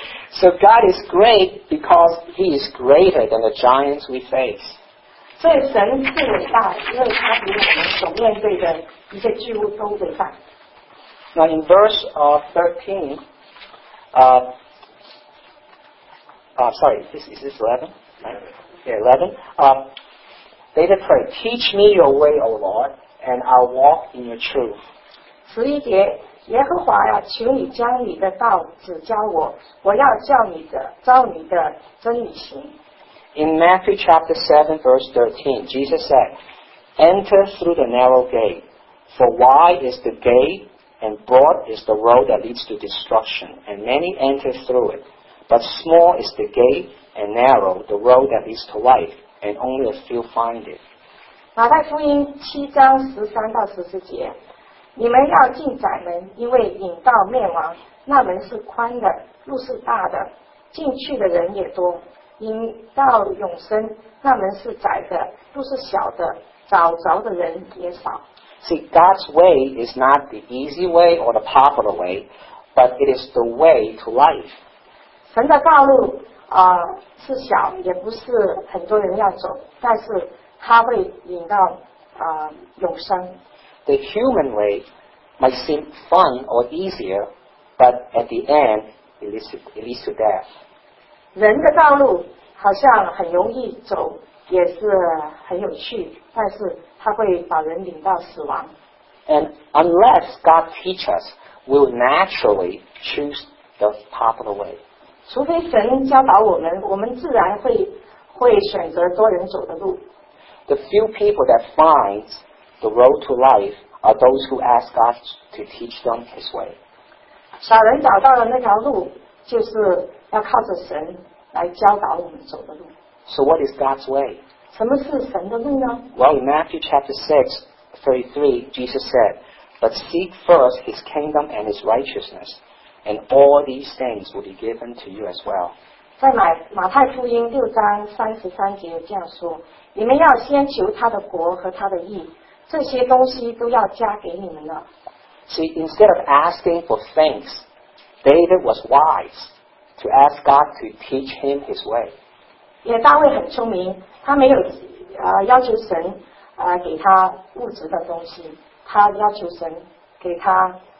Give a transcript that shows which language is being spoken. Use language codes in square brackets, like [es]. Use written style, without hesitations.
[en] So God is great because He is greater than the giants we face. [zh] 所以神是伟大，因为他比我们所面对的一些巨物都伟大。 [en] Now in verse 13, sorry, is this 11? Yeah, 11. David prayed, "Teach me Your way, O Lord, and I'll walk in Your truth." [zh] 十一节。耶和华呀，求你将你的道指教我，我要叫你的照你的真理行。 [en] In Matthew chapter 7 verse 13, Jesus said, "Enter through the narrow gate, for wide is the gate and broad is the road that leads to destruction, and many enter through it. But small is the gate and narrow the road that leads to life, and only a few find it." [zh] 马太福音七章十三到十四节。你们要进窄门，因为引到灭亡，那门是宽的，路是大的，进去的人也多。引到永生，那门是窄的，路是小的，找着的人也少。 [en] See, God's way is not the easy way or the popular way, but it is the way to life. [zh] 神的道路是小，也不是很多人要走，但是他会引到永生。 [en] The human way might seem fun or easier, but at the end, it leads to death. [zh] 人的道路好像很容易走，也是很有趣，但是它会把人领到死亡。 [en] And unless God teaches us, we'll naturally choose the popular way. [zh] 除非神教导我们，我们自然会选择多人走的路。 [en] The few people that finds the road to life are those who ask God to teach them His way. [zh] 小人找到了那条路，就是要靠着神来教导我们走的路。 [en] So what is God's way? [zh] 什么是神的路呢？ [en] Well, in Matthew chapter 6, 33, Jesus said, "But seek first His kingdom and His righteousness, and all these things will be given to you as well." [zh] 在马太福音六章三十三节这样说：你们要先求他的国和他的义。这些东西都要加给你们了。 [en] See, instead of asking for thanks, David was wise to ask God to teach him His way. [zh] 也大卫很聪明，他没有要求神给他物质的东西，他要求神给他